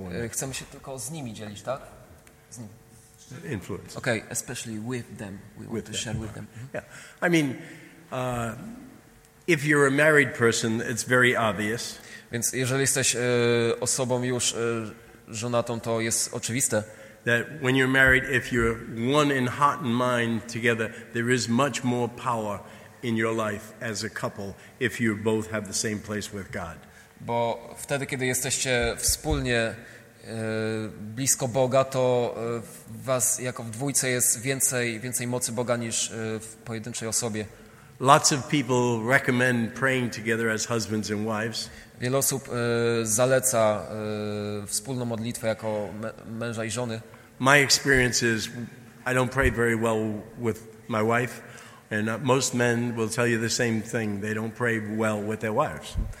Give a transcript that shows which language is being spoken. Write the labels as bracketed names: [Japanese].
[Polish] Chcemy się tylko z nimi dzielić, tak? Z nimi. [English] Influence. Okay, especially with them. We want to share with them. Yeah. I mean, if you're a married person, it's very obvious. [Polish] Więc jeżeli jesteś osobą już żonatą, to jest oczywiste. [English] That when you're married, if you're one in heart and mind together, there is much more power in your life as a couple if you both have the same place with God. [Polish] Bo wtedy, kiedy jesteście wspólnie blisko Boga, to was jako w dwójce jest więcej mocy Boga niż w pojedynczej osobie. [English] Lots of people recommend praying together as husbands and wives. [Polish] Wiele osób zaleca wspólną modlitwę jako męża i żony. [English] My experience is I don't pray very well with my wife, and most men will tell you the same thing. They don't pray well with their wives.